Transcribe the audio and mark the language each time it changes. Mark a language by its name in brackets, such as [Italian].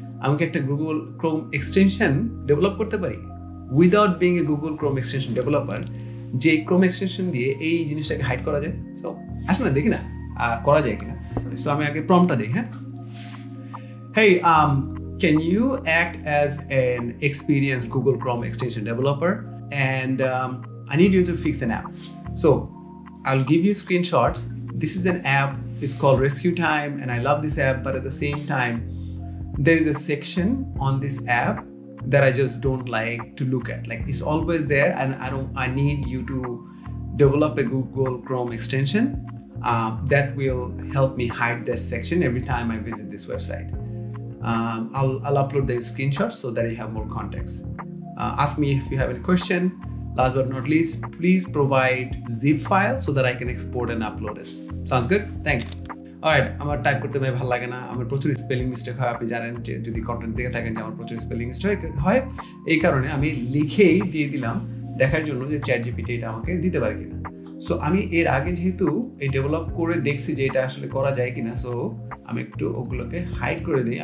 [Bangla] আমি কি একটা গুগল ক্রোম এক্সটেনশন ডেভেলপ করতে পারি [English] without being a Google Chrome extension developer, [Bangla] যে ক্রোম এক্সটেনশন দিয়ে এই জিনিসটাকে হাইড করা যায়? সো আসলে না, দেখি না করা যায় কিনা। সো আমি আগে প্রম্পটটা দেই। হ্যাঁ, [English] Hey, can you act as an experience Google Chrome extension developer and I need you to fix an app. So, I'll give you screenshots. This is an app, it's called Rescue Time, and I love this app, but at the same time, there is a section on this app that I just don't like to look at. Like, it's always there, and I need you to develop a Google Chrome extension that will help me hide that section every time I visit this website. I'll upload the screenshots so that you have more context. Ask me if you have any question. Last but not least, please provide zip file so that I can export and upload it. Sounds good? Thanks. [Bangla] All right, আমার type করতে ভাই ভালো লাগে না, আমার প্রচুর spelling mistake হয়, আপনি জানেন যে যদি কন্টেন্ট দেখে থাকেন যে আমার প্রচুর স্পেলিং মিস্টেক হয়, এই কারণে আমি লিখেই দিয়ে দিলাম দেখার জন্য যে চ্যাট জিপিটি এটা আমাকে দিতে পারে কিনা। সো আমি এর আগে যেহেতু এই ডেভেলপ করে দেখছি যে এটা আসলে করা যায় কিনা, সো আমি একটু ওগুলোকে হাইড করে দিই।